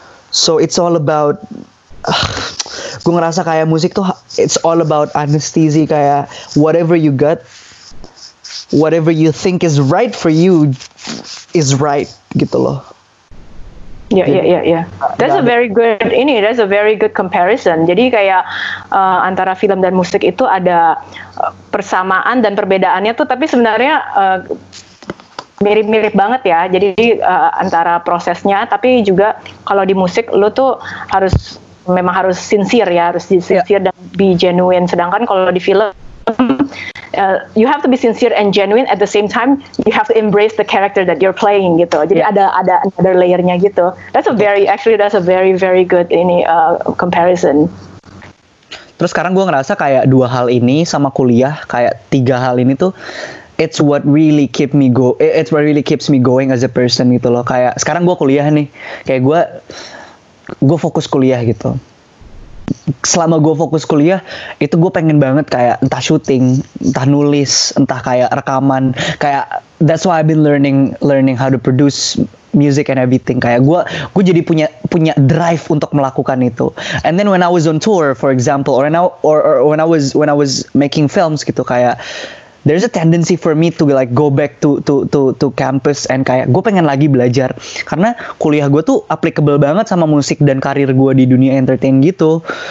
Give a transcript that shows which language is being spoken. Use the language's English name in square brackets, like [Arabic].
[English] So it's all about, [Indonesian] gue ngerasa kayak musik tuh [English] it's all about anesthesia, [Indonesian] kayak [English] whatever you got, whatever you think is right for you is right [Indonesian] gitu loh. [English] Yeah. That's a very good [Indonesian] ini. [English] That's a very good comparison. [Indonesian] Jadi kayak antara film dan musik itu ada persamaan dan perbedaannya tuh, tapi sebenarnya mirip-mirip banget ya. Jadi antara prosesnya, tapi juga kalau di musik lu tuh harus memang harus sincere ya, harus sincere dan [English] be genuine. [Indonesian] Sedangkan kalau di film [English] you have to be sincere and genuine at the same time, you have to embrace the character that you're playing [Indonesian] gitu. Jadi ada [English] another layernya [Indonesian] gitu. [English] That's a very actually that's a very very good [Indonesian] ini [English] comparison. [Indonesian] Terus sekarang gue ngerasa kayak dua hal ini sama kuliah, kayak tiga hal ini tuh [English] it's what really keep me go, it's what really keeps me going as a person [Indonesian] gitu loh. Kayak sekarang gue kuliah nih, kayak gue fokus kuliah gitu. Selama gue fokus kuliah, itu gue pengen banget kayak entah syuting, entah nulis, entah kayak rekaman. Kayak [English] that's why I've been learning how to produce music and everything. [Indonesian] Kayak gue jadi punya drive untuk melakukan itu. [English] And then when I was on tour, for example, or when I was making films [Indonesian] gitu, kayak [English] there's a tendency for me to like go back to campus and [Indonesian] kayak gue pengen lagi belajar, karena kuliah gue tuh applicable banget sama musik dan karir gue di dunia entertain gitu.